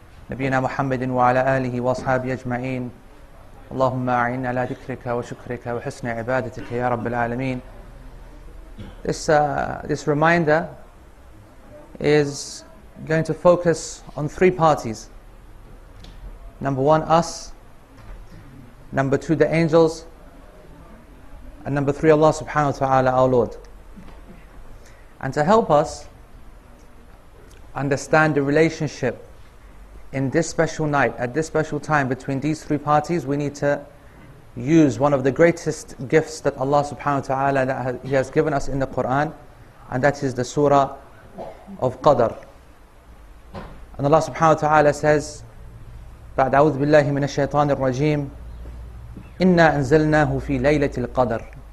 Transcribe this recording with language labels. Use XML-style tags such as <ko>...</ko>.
<ar>نبينا محمد وعلى آله وأصحابه أجمعين. اللهم أعنا على ذكرك وشكرك وحسن عبادتك يا رب العالمين.</ar> <en>This reminder is going to focus on three parties. Number one, us. Number two, the angels. And number three, Allah subhanahu wa ta'ala, our Lord. And to help us understand the relationship in this special night, at this special time, between these three parties, we need to use one of the greatest gifts that Allah subhanahu wa ta'ala He has given us in the Quran, and that is the surah of Qadr. And Allah subhanahu wa ta'ala says,</en> <ar>بعد أعوذ بالله من الشيطان الرجيم إنا أنزلناه في ليلة القدر.</ar>